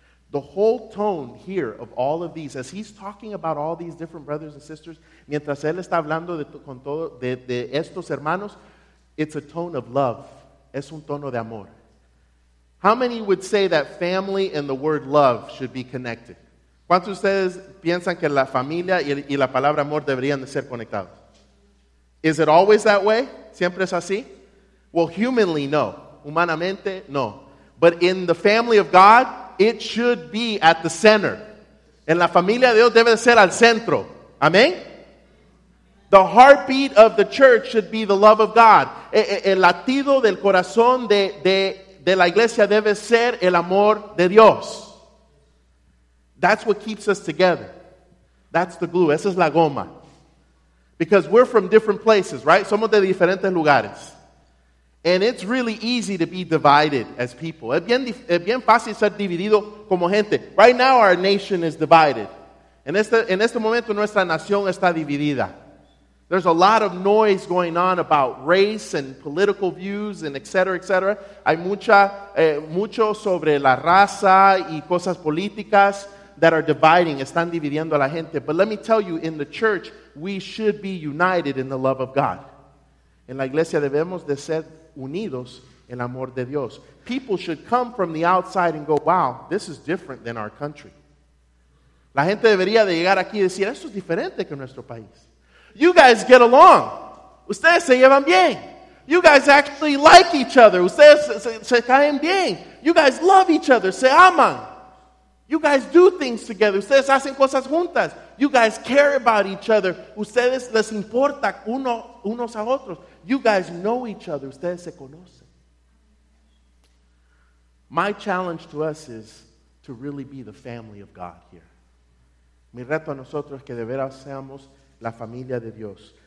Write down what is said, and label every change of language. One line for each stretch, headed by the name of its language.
English: The whole tone here of all of these, as he's talking about all these different brothers and sisters,
Spanish: mientras él está hablando de estos hermanos,
English: it's a tone of love.
Spanish: Es un tono de amor.
English: How many would say that family and the word love should be connected?
Spanish: ¿Cuántos de ustedes piensan que la familia y la palabra amor deberían de ser conectados?
English: Is it always that way?
Spanish: ¿Siempre es así?
English: Well, humanly, no.
Spanish: Humanamente, no.
English: But in the family of God, it should be at the center.
Spanish: En la familia de Dios debe de ser al centro. ¿Amén?
English: The heartbeat of the church should be the love of God.
Spanish: El latido del corazón de la iglesia debe ser el amor de Dios.
English: That's what keeps us together. That's the glue.
Spanish: Esa es la goma.
English: Because we're from different places, right?
Spanish: Somos de diferentes lugares.
English: And it's really easy to be divided as people.
Spanish: Es bien fácil ser dividido como gente.
English: Right now, our nation is divided.
Spanish: En este momento, nuestra nación está dividida.
English: There's a lot of noise going on about race and political views and et cetera, et cetera.
Spanish: Hay mucho sobre la raza y cosas políticas
English: that are dividing,
Spanish: están dividiendo a la gente.
English: But let me tell you, in the church, we should be united in the love of God.
Spanish: En la iglesia debemos de ser unidos en el amor de Dios.
English: People should come from the outside and go, wow, this is different than our country.
Spanish: La gente debería de llegar aquí y decir, esto es diferente que nuestro país.
English: You guys get along.
Spanish: Ustedes se llevan bien.
English: You guys actually like each other.
Spanish: Ustedes se caen bien.
English: You guys love each other.
Spanish: Se aman.
English: You guys do things together.
Spanish: Ustedes hacen cosas juntas.
English: You guys care about each other.
Spanish: Ustedes les importa unos a otros.
English: You guys know each other.
Spanish: Ustedes se conocen.
English: My challenge to us is to really be the family of God here.
Spanish: Mi reto a nosotros es que de veras seamos la familia de Dios.